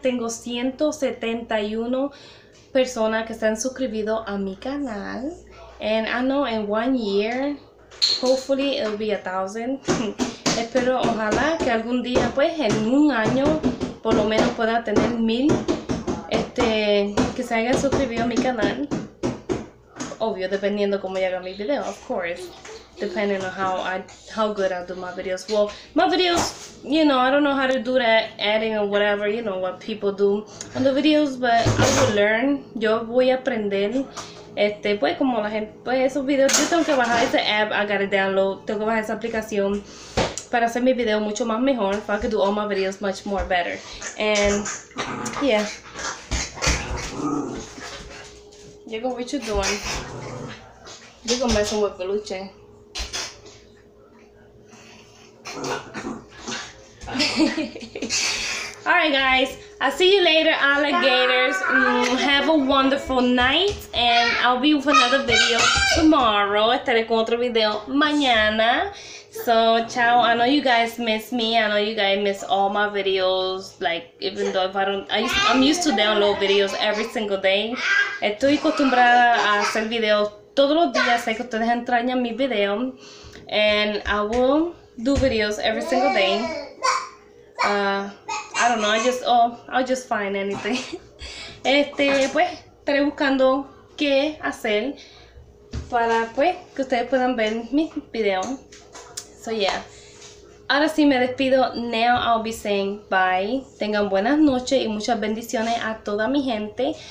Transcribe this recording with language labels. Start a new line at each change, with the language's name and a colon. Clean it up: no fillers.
Spanish: Tengo 171 personas que se han suscribido a mi canal.
English: And I know in 1 year, hopefully it'll be 1,000.
Spanish: Espero, ojalá que algún día, pues en un año, por lo menos pueda tener 1,000. Que se hayan suscribido a mi canal. Obvio, dependiendo cómo llega mi video,
English: of course. Depending on how good I do my videos. Well, my videos, you know, I don't know how to do that editing or whatever, you know, what people do on the videos, but I will learn.
Spanish: Yo voy a aprender. Pues como la gente, pues esos videos, yo tengo que bajar esa app,
English: I gotta download,
Spanish: tengo que bajar esa aplicación para hacer mi video mucho más mejor,
English: so I can do all my videos much more better. And yeah. Jacob, what you doing? Jacob messing with Peluche. Alright, guys. I'll see you later, alligators. Have a wonderful night. And I'll be with another video tomorrow.
Spanish: Estaré con otro video mañana.
English: So, ciao. I know you guys miss me. I know you guys miss all my videos. Like, even though I'm used to download videos every single day.
Spanish: Estoy acostumbrada a hacer videos todos los días. Sé que ustedes entrañan mis videos.
English: And I will do videos every single day. I don't know. I'll just find anything.
Spanish: Pues, estaré buscando qué hacer para, pues, que ustedes puedan ver mis videos.
English: So yeah,
Spanish: ahora sí me despido.
English: Now I'll be saying bye.
Spanish: Tengan buenas noches y muchas bendiciones a toda mi gente.